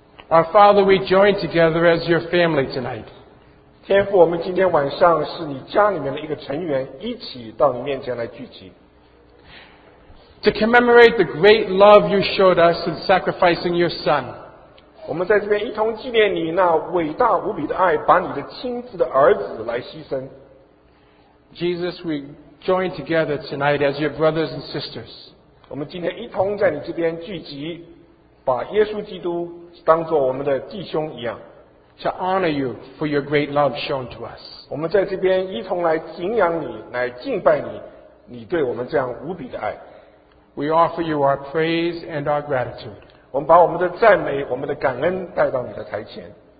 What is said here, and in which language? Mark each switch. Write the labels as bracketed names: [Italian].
[English] Our Father, we join together as your family tonight. [Chinese] 天父，我们今天晚上是你家里面的一个成员，一起到你面前来聚集。 [English] To commemorate the great love you showed us in sacrificing your Son. [Chinese] 我们在这边一同纪念你那伟大无比的爱，把你的亲自的儿子来牺牲。 [English] Jesus, we join together tonight as your brothers and sisters. [Chinese] 我们今天一同在你这边聚集，把耶稣基督当作我们的弟兄一样。 [English] To honor you for your great love shown to us. [Chinese] 我们在这边一同来敬仰你，来敬拜你，你对我们这样无比的爱。 [English] We offer you our praise and our gratitude. [Chinese] 我们把我们的赞美，我们的感恩带到你的台前。